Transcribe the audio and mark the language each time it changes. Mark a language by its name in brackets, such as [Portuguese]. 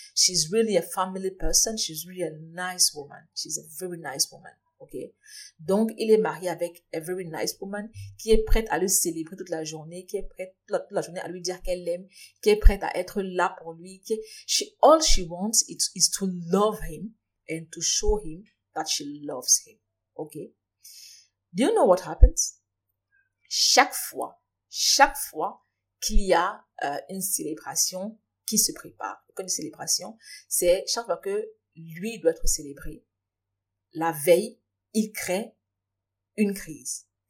[English] She's really a family person. She's really a nice woman. She's a very nice woman, ok? [French] Donc, il est marié avec [English] a very nice woman [French] qui est prête à le célébrer toute la journée, qui est prête toute la journée à lui dire qu'elle l'aime, qui est prête à être là pour lui. [English] All she wants is to love him. And to show him that she loves him. Okay? Do you know what happens? [French] Chaque fois qu'il y a une célébration qui se prépare, une célébration, c'est chaque fois que lui doit être célébré, la veille, il crée une crise.